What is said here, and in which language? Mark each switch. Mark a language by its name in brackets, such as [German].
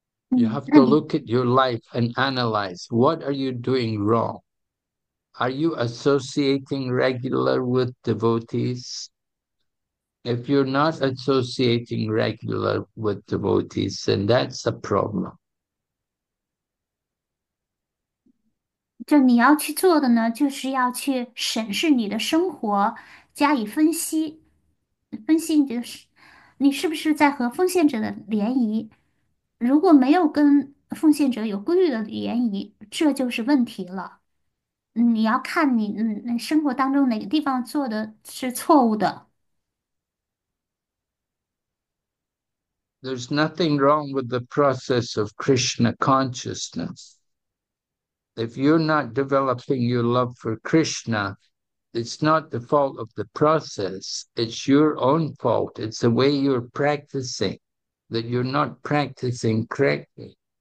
[English] You have to look at your life and analyze what are you doing wrong. Are you associating regular with devotees? If you're not associating regular with devotees, then that's a problem. [Chinese] 就你要去做的呢，就是要去审视你的生活，加以分析。分析就是你是不是在和奉献者的联谊？如果没有跟奉献者有规律的联谊，这就是问题了。你要看你生活当中哪个地方做的是错误的。 [English] There's nothing wrong with the process of Krishna consciousness. If you're not developing your love for Krishna, it's not the fault of the process, it's your own fault. It's the way you're practicing that you're not practicing correctly.